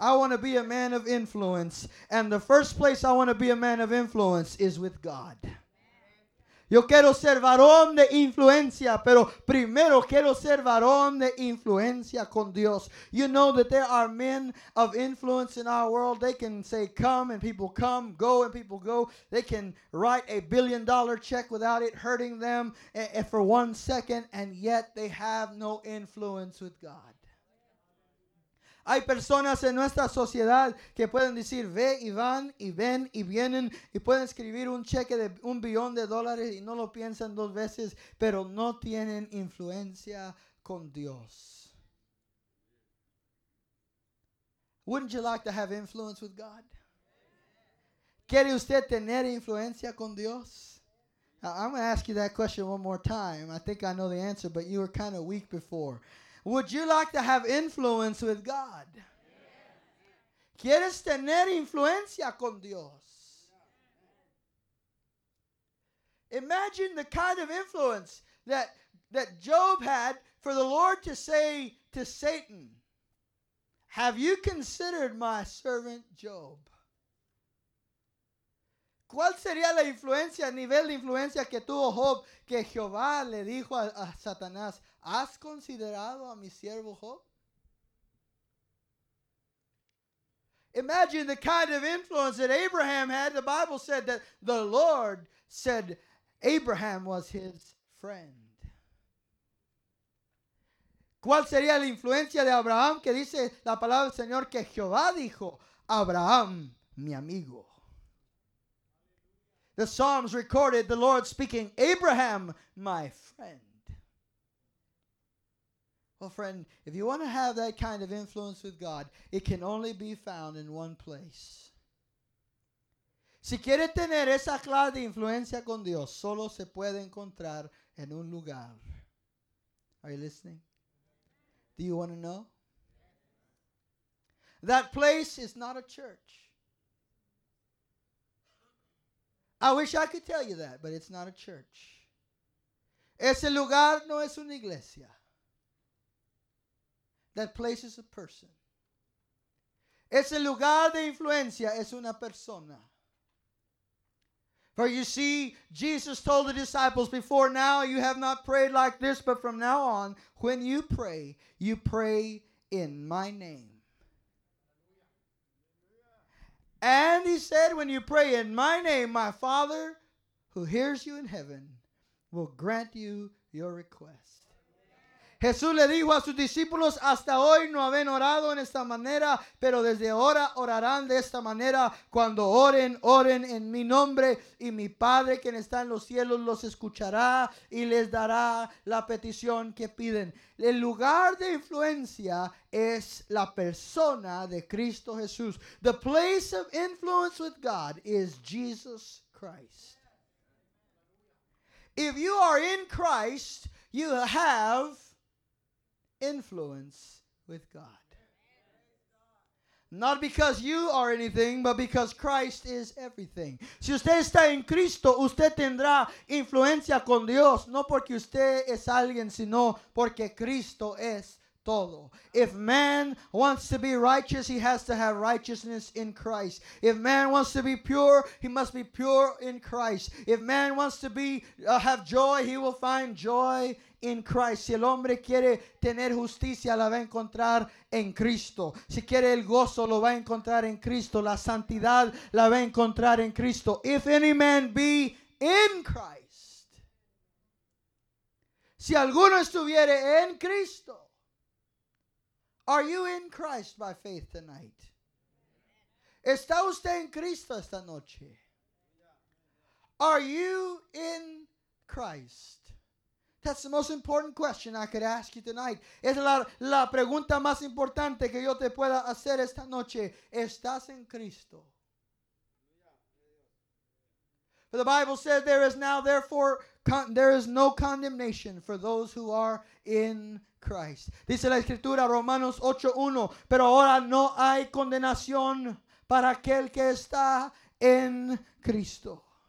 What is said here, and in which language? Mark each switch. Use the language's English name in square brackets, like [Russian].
[English] I want to be a man of influence, and the first place I want to be a man of influence is with God. [Spanish] Yo quiero ser varón de influencia, pero primero quiero ser varón de influencia con Dios. [English] You know that there are men of influence in our world. They can say come and people come, go and people go. They can write a $1 billion check without it hurting them for 1 second, and yet they have no influence with God. [Spanish] Hay personas en nuestra sociedad que pueden decir ve y van y ven y vienen y pueden escribir un cheque de $1 billion y no lo piensan dos veces, pero no tienen influencia con Dios. [English] Wouldn't you like to have influence with God? [Spanish] ¿Quiere usted tener influencia con Dios? [English] I'm going to ask you that question one more time. I think I know the answer, but you were kind of weak before. Would you like to have influence with God? Yeah. [Spanish] ¿Quieres tener influencia con Dios? [English] Imagine the kind of influence that Job had for the Lord to say to Satan, have you considered my servant Job? [Spanish] ¿Cuál sería la influencia, nivel de influencia que tuvo Job que Jehová le dijo a Satanás, ¿has considerado a mi siervo Job? [English] Imagine the kind of influence that Abraham had. The Bible said that the Lord said Abraham was his friend. [Spanish] ¿Cuál sería la influencia de Abraham que dice la palabra del Señor que Jehová dijo, Abraham, mi amigo? [English] The Psalms recorded the Lord speaking, Abraham, my friend. Well, friend, if you want to have that kind of influence with God, it can only be found in one place. [Spanish] Si quiere tener esa clase de influencia con Dios, solo se puede encontrar en un lugar. [English] Are you listening? Do you want to know? That place is not a church. I wish I could tell you that, but it's not a church. [Spanish] Ese lugar no es una iglesia. [English] That place is a person. [Spanish] Ese lugar de influencia es una persona. [English] For you see, Jesus told the disciples, before now you have not prayed like this, but from now on, when you pray in my name. And he said, when you pray in my name, my Father who hears you in heaven will grant you your request. [Spanish] Jesús le dijo a sus discípulos, hasta hoy no habían orado en esta manera, pero desde ahora orarán de esta manera. Cuando oren, oren en mi nombre, y mi Padre que está en los cielos los escuchará y les dará la petición que piden. El lugar de influencia es la persona de Cristo Jesús. [English] The place of influence with God is Jesus Christ. If you are in Christ, you have influence with God. Not because you are anything, but because Christ is everything. [Spanish] Si usted está en Cristo, usted tendrá influencia con Dios, no porque usted es alguien, sino porque Cristo es todo. [English] If man wants to be righteous, he has to have righteousness in Christ. If man wants to be pure, he must be pure in Christ. If man wants to be have joy, he will find joy in Christ. [Spanish] Si el hombre quiere tener justicia, la va a encontrar en Cristo. Si quiere el gozo, lo va a encontrar en Cristo. La santidad la va a encontrar en Cristo. [English] If any man be in Christ, [Spanish] si alguno estuviere en Cristo, [English] are you in Christ by faith tonight? [Spanish] ¿Está usted en Cristo esta noche? [English] Are you in Christ? That's the most important question I could ask you tonight. [Spanish] Es la pregunta más importante que yo te pueda hacer esta noche. ¿Estás en Cristo? [English] For the Bible says, there is now therefore, there is no condemnation for those who are in Christ. [Spanish] Dice la Escritura, Romanos 8:1, pero ahora no hay condenación para aquel que está en Cristo.